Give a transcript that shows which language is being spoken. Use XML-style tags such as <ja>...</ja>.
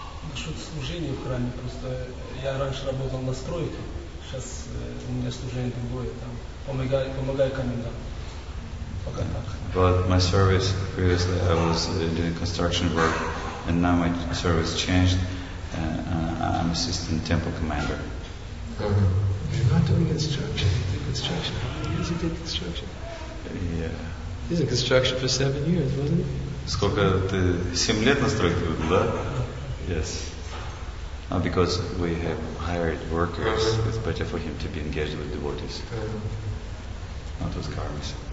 <ru>Насчет служения в храме, просто я раньше работал на стройке. Сейчас у меня служение другое, там помогаю комендантам. Пока так.</ru> <en>But my service previously I was doing construction work, and now my service changed. I'm assistant temple commander. You're not doing construction. How many years you did construction? Yeah. He's in construction for 7 years, wasn't he?</en> <ru>Сколько ты 7 лет на стройке был, да?</ru> <en>Yes. Because we have hired workers, it's better for him to be engaged with devotees, not with karmis.</en>